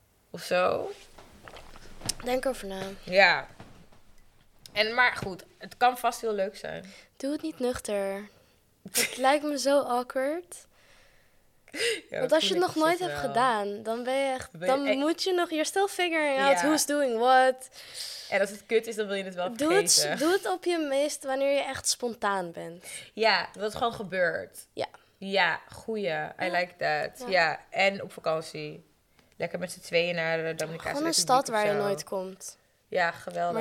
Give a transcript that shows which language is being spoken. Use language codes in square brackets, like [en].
[nl] Of zo. Denk over na. Ja. En maar goed, het kan vast heel leuk zijn. Doe het niet nuchter. Het lijkt me zo awkward. Ja, want als je het nog nooit hebt gedaan, dan ben je echt... moet je nog... [en] You're still figuring out who's doing what. [nl] En als het kut is, dan wil je het wel vergeten. Doe het op je meest wanneer je echt spontaan bent. Ja, dat het gewoon gebeurt. Ja. Ja, goeie. [en] I like that. [nl] Ja. En op vakantie. Lekker met z'n tweeën naar de Dominicaanse Republiek. Gewoon een stad waar je nooit komt. Ja, geweldig.